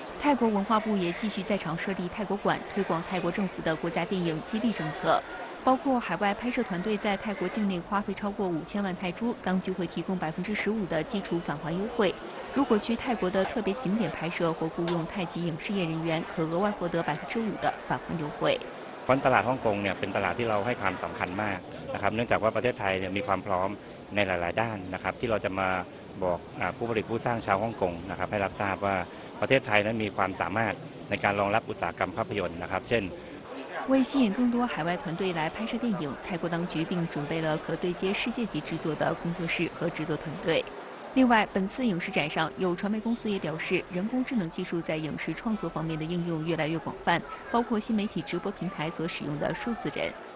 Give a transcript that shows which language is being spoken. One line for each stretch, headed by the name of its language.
Chinese: 泰国文化部也继续在场设立泰国馆，推广泰国政府的国家电影激励政策。包括海外拍摄团队在泰国境内花费超过5000万泰铢，当局会提供15%的基础返还优惠。如果去泰国的特别景点拍摄或雇用泰籍影视业人员，可额外获得5%的返还优惠。
Thai: 关ตลาดฮ่องกงเนี่ยเป็นตลาดที่เราให้ความสำคัญมากนะครับเนื่องจากว่าประเทศไทยเนี่ยมีความพร้อมในหลายๆด้านนะครับที่เราจะมาบอกผู้ผลิตผู้สร้างชาวฮ่องกงนะครับให้รับทราบว่าประเทศไทยนั้นมีความสามารถในการรองรับอุตสาหกรรมภาพยนตร์นะครับเช่น
Chinese: 为吸引更多海外团队来拍摄电影，泰国当局并准备了可对接世界级制作的工作室和制作团队。另外，本次影视展上有传媒公司也表示，人工智能技术在影视创作方面的应用越来越广泛，包括新媒体直播平台所使用的数字人。